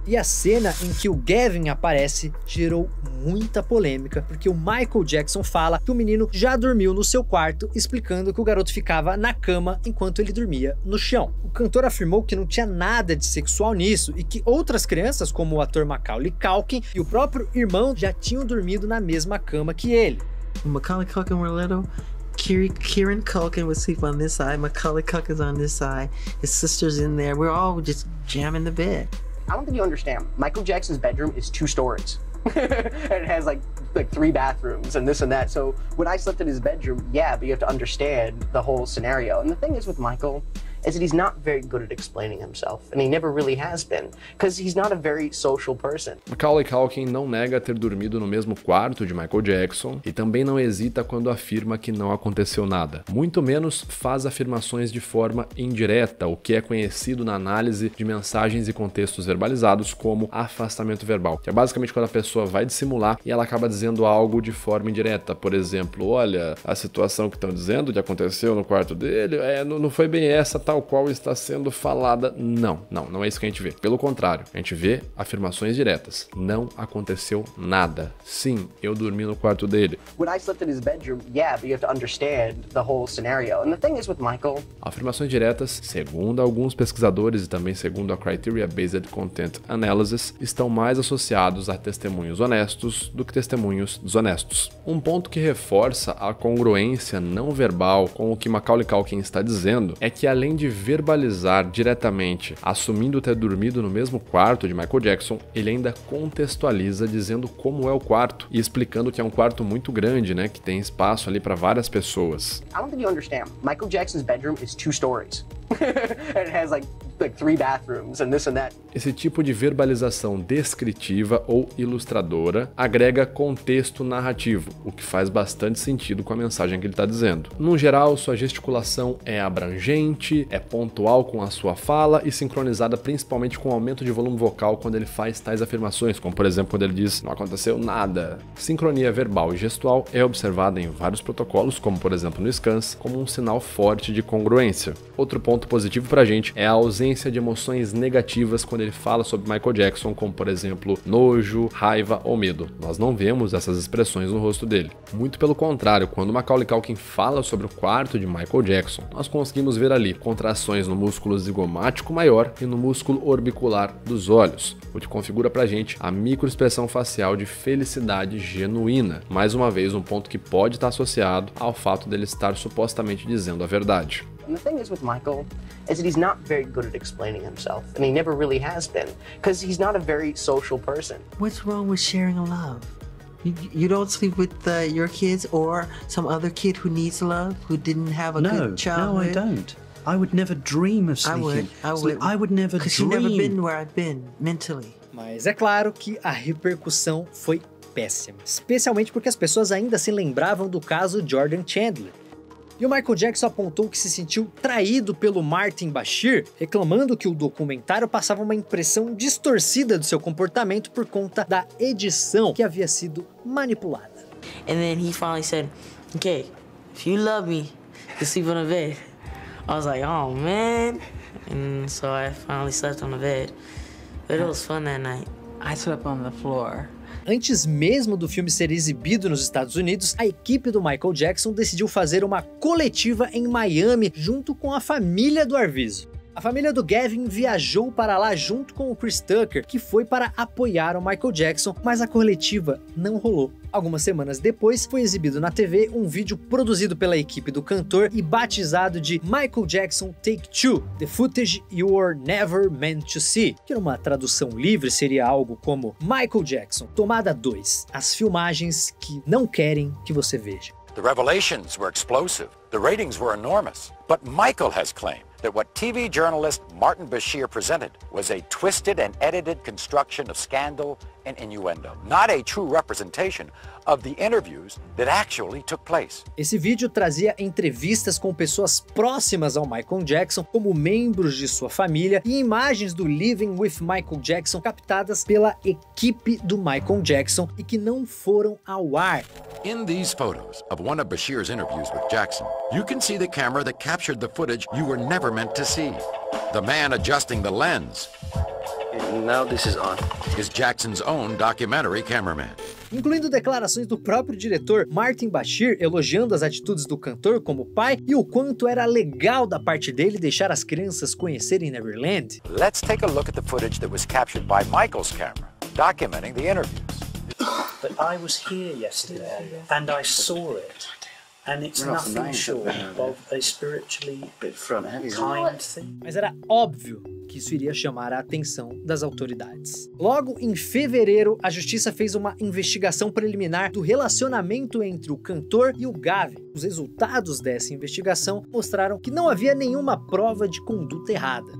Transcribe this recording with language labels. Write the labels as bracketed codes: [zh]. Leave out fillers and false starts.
[pt] E a cena em que o Gavin aparece gerou muita polêmica, porque o Michael Jackson fala que o menino já dormiu no seu quarto, explicando que o garoto ficava na cama enquanto ele dormia no chão. O cantor afirmou que não tinha nada de sexual nisso e que outras crianças, como o ator Macaulay Culkin e o próprio irmão, já tinham dormido na mesma cama que ele. [en] Macaulay Culkin were little. Kieran Culkin would sleep on this side, Macaulay Culkin's on this side, his sister's in there, we're all just jamming the bed. I don't think you understand, Michael Jackson's bedroom is two stories. And it has like three bathrooms and this and that, so when I slept in his bedroom, yeah, but you have to understand the whole scenario. And the thing is with Michael, is that he's not very good at explaining himself, and he never really has been, because he's not a very social person. [pt] Macaulay Culkin não nega ter dormido no mesmo quarto de Michael Jackson, e também não hesita quando afirma que não aconteceu nada. Muito menos faz afirmações de forma indireta, o que é conhecido na análise de mensagens e contextos verbalizados como afastamento verbal, que é basicamente quando a pessoa vai dissimular e ela acaba dizendo algo de forma indireta. Por exemplo, olha, a situação que estão dizendo que aconteceu no quarto dele, não foi bem essa tal qual está sendo falada. Não é isso que a gente vê. Pelo contrário, a gente vê afirmações diretas. Não aconteceu nada. Sim, eu dormi no quarto dele. [en] When I slept in his bedroom, yeah, but you have to understand the whole scenario. And the thing is with Michael. [pt] Afirmações diretas, segundo alguns pesquisadores e também segundo a Criteria Based Content Analysis, estão mais associados a testemunhos honestos do que testemunhos desonestos. Um ponto que reforça a congruência não verbal com o que Macaulay Culkin está dizendo é que a além de verbalizar diretamente, assumindo ter dormido no mesmo quarto de Michael Jackson, ele ainda contextualiza dizendo como é o quarto e explicando que é um quarto muito grande, né, que tem espaço ali para várias pessoas. [en] I don't think you understand. Michael Jackson's bedroom is two stories. It has like three bathrooms and this and that. [pt] Esse tipo de verbalização descritiva ou ilustradora agrega contexto narrativo, o que faz bastante sentido com a mensagem que ele está dizendo. No geral, sua gesticulação é abrangente, é pontual com a sua fala e sincronizada principalmente com o aumento de volume vocal quando ele faz tais afirmações, como por exemplo quando ele diz "não aconteceu nada". Sincronia verbal e gestual é observada em vários protocolos, como por exemplo no SCANS, como um sinal forte de congruência. Outro ponto positivo pra gente é a ausência de emoções negativas quando ele fala sobre Michael Jackson, como por exemplo, nojo, raiva ou medo. Nós não vemos essas expressões no rosto dele. Muito pelo contrário, quando Macaulay Culkin fala sobre o quarto de Michael Jackson, nós conseguimos ver ali contrações no músculo zigomático maior e no músculo orbicular dos olhos, o que configura pra gente a microexpressão facial de felicidade genuína. Mais uma vez, um ponto que pode estar associado ao fato dele estar supostamente dizendo a verdade. [en] And the thing is with Michael is that he's not very good at explaining himself, and he never really has been, because he's not a very social person. What's wrong with sharing a love? You don't sleep with your kids or some other kid who needs love, who didn't have a good childhood? No, I don't. I would never dream of sleeping. I would never dream. Because you've never been where I've been, mentally. [pt] Mas é claro que a repercussão foi péssima, especialmente porque as pessoas ainda se lembravam do caso Jordan Chandler. E o Michael Jackson apontou que se sentiu traído pelo Martin Bashir, reclamando que o documentário passava uma impressão distorcida do seu comportamento por conta da edição que havia sido manipulada. [en] And then he finally said, "Okay, if you love me, you sleep on a bed." I was like, "Oh, man." And so I finally slept on a bed. But it was fun that night. I slept on the floor. [pt] Antes mesmo do filme ser exibido nos Estados Unidos, a equipe do Michael Jackson decidiu fazer uma coletiva em Miami junto com a família do Arvizo. A família do Gavin viajou para lá junto com o Chris Tucker, que foi para apoiar o Michael Jackson, mas a coletiva não rolou. Algumas semanas depois, foi exibido na TV um vídeo produzido pela equipe do cantor e batizado de Michael Jackson Take Two, The Footage You Were Never Meant to See, que numa tradução livre seria algo como Michael Jackson, tomada 2, as filmagens que não querem que você veja. [en] The revelations were explosive, the ratings were enormous, but Michael has claimed that what TV journalist Martin Bashir presented was a twisted and edited construction of scandal and innuendo, not a true representation of the interviews that actually took place. [pt] Esse vídeo trazia entrevistas com pessoas próximas ao Michael Jackson, como membros de sua família, e imagens do Living with Michael Jackson captadas pela equipe do Michael Jackson e que não foram ao ar. [en] In these photos of one of Bashir's interviews with Jackson, you can see the camera that captured the footage you were never meant to see. The man adjusting the lens. Now this is on. Is Jackson's own documentary cameraman. [pt] Incluindo declarações do próprio diretor Martin Bashir elogiando as atitudes do cantor como pai e o quanto era legal da parte dele deixar as crianças conhecerem Neverland. [en] Let's take a look at the footage that was captured by Michael's camera, documenting the interviews. But I was here yesterday and I saw it. And it's nothing short of a spiritually kind thing. [pt] Mas era óbvio que isso iria chamar a atenção das autoridades. Logo em fevereiro, a justiça fez uma investigação preliminar do relacionamento entre o cantor e o Gavin. Os resultados dessa investigação mostraram que não havia nenhuma prova de conduta errada.